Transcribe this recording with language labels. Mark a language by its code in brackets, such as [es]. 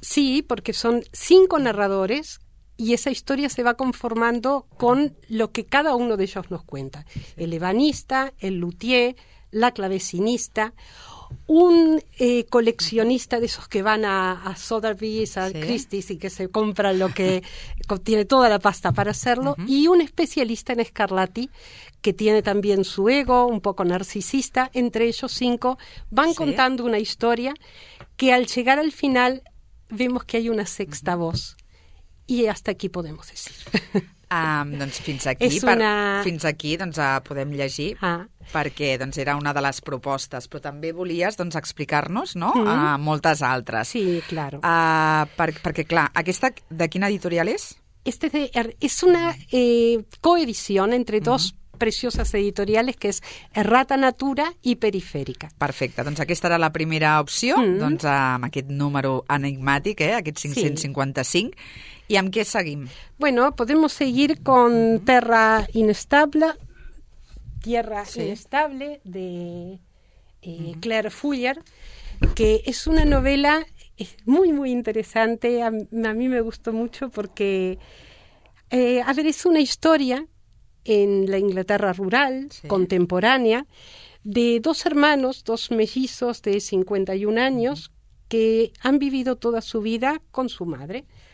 [ca] Sí, perquè són 5 narradores. [es] Y esa historia se va conformando con lo que cada uno de ellos nos cuenta. El ebanista, el luthier, la clavecinista, un coleccionista de esos que van a Sotheby's, a Christie's y que se compra lo que tiene toda la pasta para hacerlo, y un especialista en Scarlatti que tiene también su ego, un poco narcisista. Entre ellos 5 van contando una historia que al llegar al final vemos que hay una sexta voz. I hasta aquí podemos decir. [ca] Doncs fins aquí, fins aquí doncs, podem llegir, perquè doncs, era una de les propostes, però també volies doncs, explicar-nos no? Moltes altres. [es] Sí, claro. [ca] Perquè, clar, aquesta de quina editorial és? [es] Este es una coedición entre dos preciosas editoriales, que es Errata Natura y Perifèrica. [ca] Perfecte. Doncs aquesta era la primera opció, doncs, amb aquest número enigmàtic, aquest 555. Sí. [es] ¿Y amb qué seguimos? Bueno, podemos seguir con Terra Inestable, Tierra Inestable, de Claire Fuller, que es una novela muy, muy interesante. A mí me gustó mucho porque, a ver, es una historia en la Inglaterra rural, contemporánea, de dos hermanos, dos mellizos de 51 años, que han vivido toda su vida con su madre.